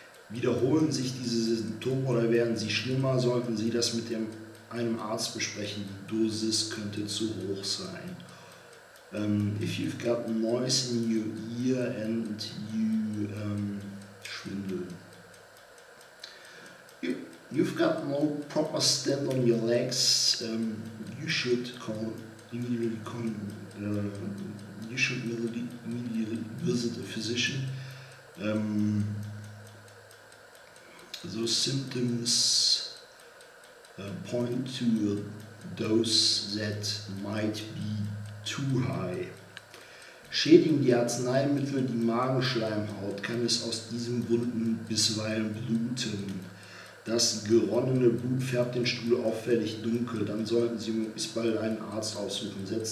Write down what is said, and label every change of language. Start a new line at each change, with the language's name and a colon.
German: Wiederholen sich diese Symptome oder werden sie schlimmer, sollten Sie das mit einem Arzt besprechen. Die Dosis könnte zu hoch sein.
English: If you've got noise in your ear and you schwindel. You've got no proper stand on your legs, you should immediately visit a physician. Those symptoms point to a dose that might be too high.
German: Schädigen die Arzneimittel die Magenschleimhaut, kann es aus diesen Wunden bisweilen bluten. Das geronnene Blut färbt den Stuhl auffällig dunkel. Dann sollten Sie möglichst bald einen Arzt aufsuchen.